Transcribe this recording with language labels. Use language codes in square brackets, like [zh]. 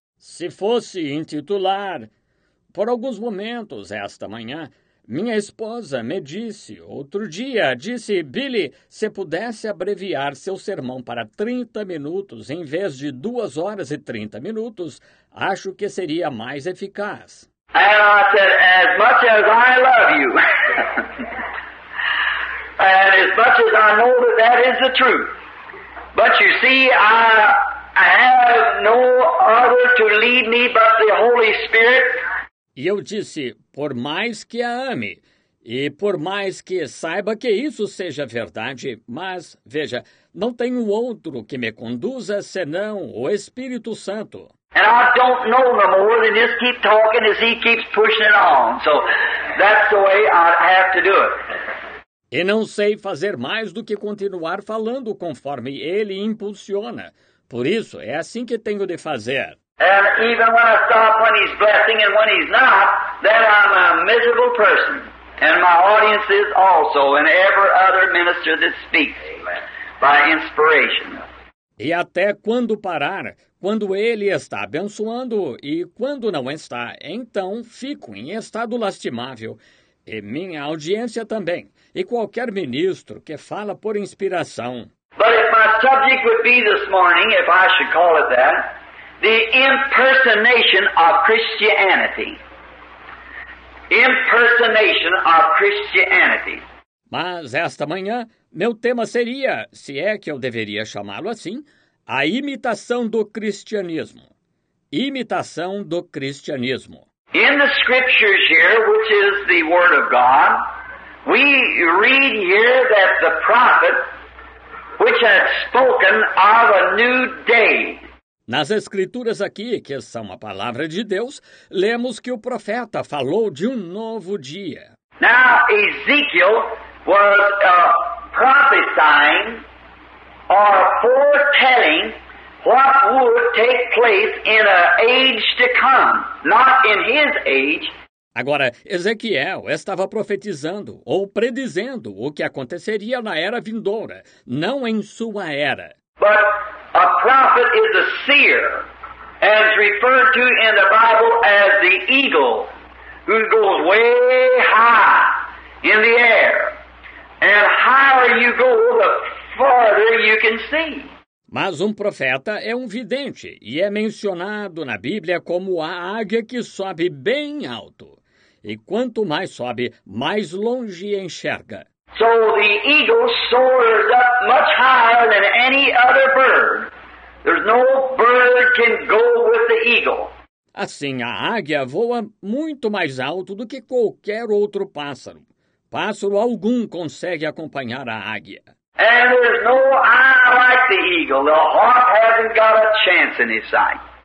[pt] Se fosse intitular, por alguns momentos esta manhã, minha esposa me disse, outro dia, disse, Billy, se pudesse abreviar seu sermão para 30 minutos em vez de 2 horas e 30 minutos, acho que seria mais eficaz. [en] And I said, as much as I love you, and as much as I know that that is the truth, but you see, I have no other to lead me but the Holy Spirit. [pt] E eu disse, por mais que a ame, e por mais que saiba que isso seja verdade, mas, veja, não tenho outro que me conduza senão o Espírito Santo. [en] And I don't know no more than just keep talking as he keeps pushing it on. So that's the way I have to do it. [pt] E não sei fazer mais do que continuar falando conforme ele impulsiona. Por isso, é assim que tenho de fazer. [en] And even when I stop when he's blessing and when he's not, then I'm a miserable person. And my audience is also, and every other minister that speaks by inspiration. [pt] E até quando parar, quando ele está abençoando e quando não está, então fico em estado lastimável. E minha audiência também. E qualquer ministro que fala por inspiração. [en] But if my subject would be this morning, if I should call it that, the impersonation of Christianity. Impersonation of Christianity. [pt] Mas esta manhã, meu tema seria, se é que eu deveria chamá-lo assim, a imitação do cristianismo. Imitação do cristianismo. [en] In the scriptures here, which is the word of God, we read here that the prophet which had spoken of a new day. [pt] Nas escrituras aqui, que são a palavra de Deus, lemos que o profeta falou de um novo dia. [en] Now, Ezekiel was prophesying or foretelling what would take place in an age to come, not in his age. [pt] Agora, Ezequiel estava profetizando ou predizendo o que aconteceria na era vindoura, não em sua era. [en] But a prophet is a seer, as referred to in the Bible as the eagle, who goes way high in the air. And higher you go, the farther you can see. [pt] Mas um profeta é um vidente e é mencionado na Bíblia como a águia que sobe bem alto. E quanto mais sobe, mais longe enxerga. [en] So the eagle soars up much higher than any other bird. There's no bird can go with the eagle. [pt] Assim, a águia voa muito mais alto do que qualquer outro pássaro. Pássaro algum consegue acompanhar a águia. [en] And there's no eye like the eagle. The hawk hasn't got a chance in his sight.